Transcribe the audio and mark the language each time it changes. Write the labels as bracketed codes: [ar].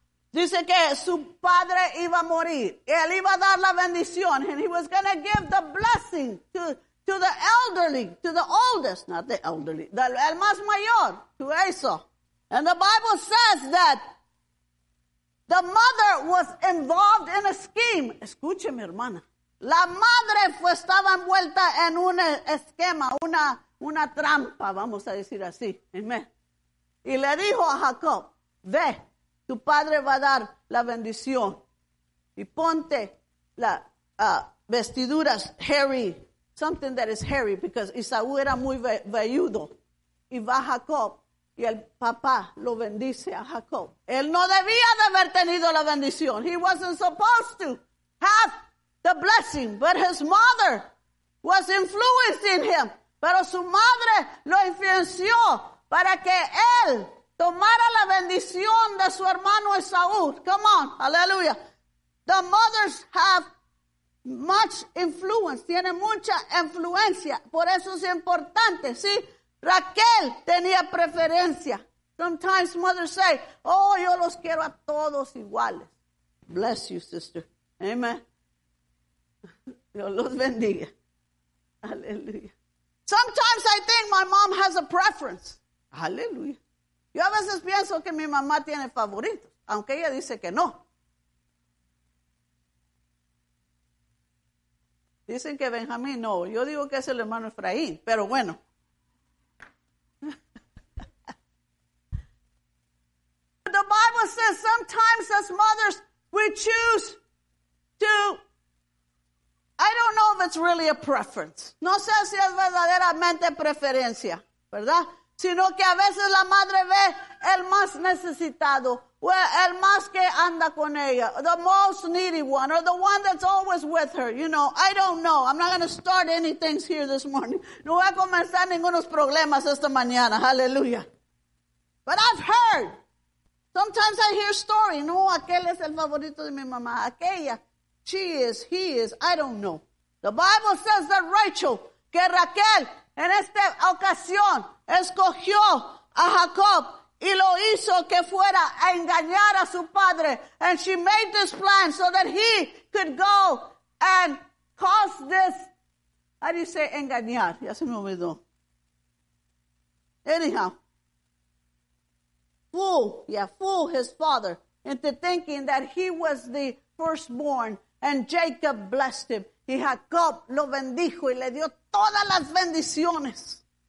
[es] Dice que su padre iba a morir. Él iba a dar la bendición. [en] And he was going to give the blessing to the elderly, to the oldest, not the elderly, [es] el más mayor, [en] to Esau. And the Bible says that the mother was involved in a scheme. [es] Escúcheme, hermana. La madre fue, estaba envuelta en un esquema, una trampa, vamos a decir así. Amén. Y le dijo a Jacob, ve, tu padre va a dar la bendición. Y ponte las vestiduras [en] hairy, something that is hairy, because [es] Esaú era muy velludo. Y va Jacob, y el papá lo bendice a Jacob. Él no debía de haber tenido la bendición. [en] He wasn't supposed to have the blessing, but his mother was influencing him. [es] Pero su madre lo influenció para que él tomara la bendición de su hermano Esaú. [en] Come on, aleluya. The mothers have much influence, [es] tiene mucha influencia. Por eso es importante, ¿sí? Raquel tenía preferencia. [en] Sometimes mothers say, oh, [es] yo los quiero a todos iguales. [en] Bless you, sister. Amen. [es] Dios los bendiga. Aleluya. [en] Sometimes I think my mom has a preference. [es] Aleluya. Yo a veces pienso que mi mamá tiene favoritos, aunque ella dice que no. Dicen que Benjamín no, yo digo que es el hermano Efraín, pero bueno. [en] The Bible says sometimes as mothers we choose to, I don't know if it's really a preference. [es] No sé si es verdaderamente preferencia, ¿verdad? Sino que a veces la madre ve el más necesitado, el más que anda con ella, [en] the most needy one, or the one that's always with her, you know. I don't know. I'm not going to start any things here this morning. [es] No voy a comenzar ningunos problemas esta mañana. [en] Hallelujah. But I've heard. Sometimes I hear stories. [es] No, aquel es el favorito de mi mamá. Aquella. [en] She is, he is, I don't know. The Bible says that Rachel, [es] que Raquel, en esta ocasión, escogió a Jacob y lo hizo que fuera a engañar a su padre. [en] And she made this plan so that he could go and cause this, how do you say, [es] engañar? Ya se me olvidó. [en] Anyhow, fool his father into thinking that he was the firstborn. And Jacob blessed him. [es] Y Jacob lo bendijo y le dio todas las bendiciones.